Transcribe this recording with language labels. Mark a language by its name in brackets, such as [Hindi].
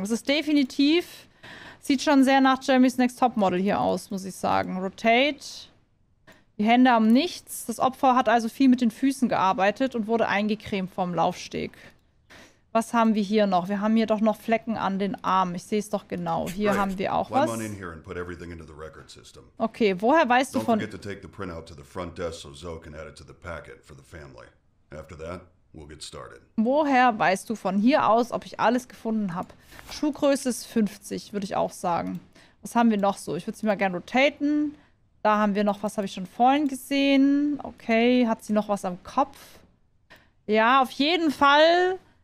[German] Das ist definitiv... Sieht schon sehr nach Jeremy's Next Topmodel hier aus, muss ich sagen. Rotate. Die Hände haben nichts. Das Opfer hat also viel mit den Füßen gearbeitet und wurde eingecremt vom Laufsteg. Was haben wir hier noch? Wir haben hier doch noch Flecken an den Armen. Ich sehe es doch genau. Hier Great. Haben wir auch was. [English] Climb on in here and put everything into the record system. [German] Okay, woher weißt [English] Don't [German] du von... [English] Don't forget to take the printout to the front desk so Zoe can add it to the packet for the family. After that... We'll get started. [German] Woher weißt du von hier aus, ob ich alles gefunden habe? Schuhgröße ist 50, würde ich auch sagen. Was haben wir noch so? Ich würde sie mal gerne rotaten. Da haben wir noch was, habe ich schon vorhin gesehen. Okay, hat sie noch was am Kopf? Ja, auf jeden Fall.